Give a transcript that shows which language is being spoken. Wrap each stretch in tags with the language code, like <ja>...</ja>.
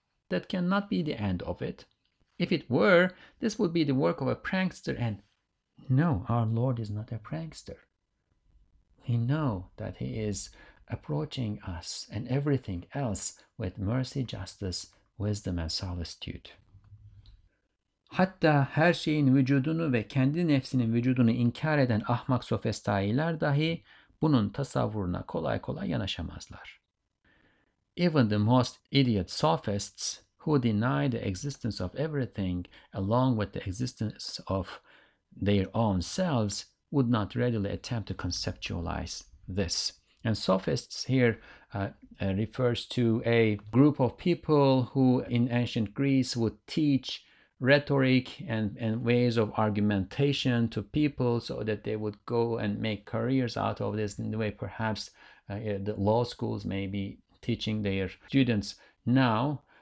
<en>That cannot be the end of it. If it were, this would be the work of a prankster. And no, our Lord is not a prankster. We know that he is approaching us and everything else with mercy, justice, wisdom, and solicitude.</en> <tr>Hatta her şeyin vücudunu ve kendi nefsinin vücudunu inkar eden ahmak sofestailer dahi bunun tasavvuruna kolay kolay yanaşamazlar.</tr> <en>Even the most idiot sophists who deny the existence of everything along with the existence of their own selves would not readily attempt to conceptualize this. And sophists here refers to a group of people who in ancient Greece would teach rhetoric and ways of argumentation to people so that they would go and make careers out of this in the way perhaps the law schools may be teaching their students now.</en>